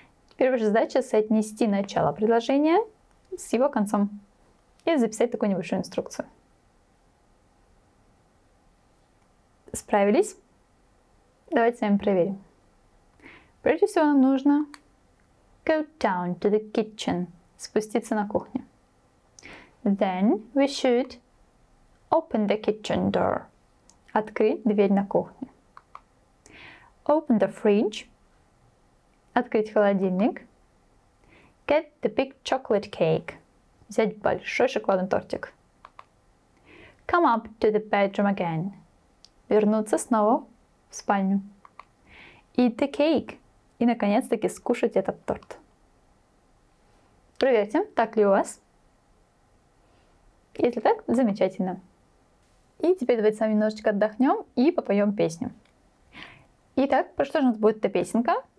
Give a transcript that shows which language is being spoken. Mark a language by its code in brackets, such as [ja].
[ru] Теперь ваша задача соотнести начало предложения с его концом и записать такую небольшую инструкцию. Справились? Давайте с вами проверим. Прежде всего нам нужно [en] go down to the kitchen, [ru] спуститься на кухню. [en] Then we should open the kitchen door, [ru] открыть дверь на кухне. [en] Open the fridge, [ru] открыть холодильник. [en] Get the big chocolate cake, [ru] взять большой шоколадный тортик. [en] Come up to the bedroom again, [ru] вернуться снова в спальню. [en] Eat the cake, [ru] и наконец-таки скушать этот торт. Проверьте, так ли у вас. Если так, замечательно. И теперь давайте с вами немножечко отдохнем и попоем песню. Итак, про что же у нас будет эта песенка?